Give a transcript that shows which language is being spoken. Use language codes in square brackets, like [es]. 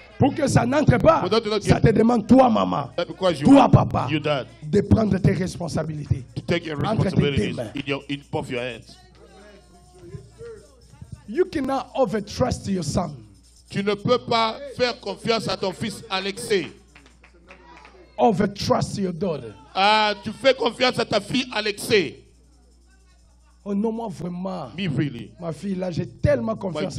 [fr] Pour que ça n'entre pas, ça te demande toi, maman, toi, papa, de prendre tes responsabilités. [en] To take your responsibilities in both your hands. You cannot overtrust your son. [fr] Tu ne peux pas faire confiance à ton fils Alexei. [en] Overtrust your daughter. [fr] Tu fais confiance à ta fille Alexei. Oh non, moi vraiment. [en] Me really. [fr] Ma fille là, j'ai tellement confiance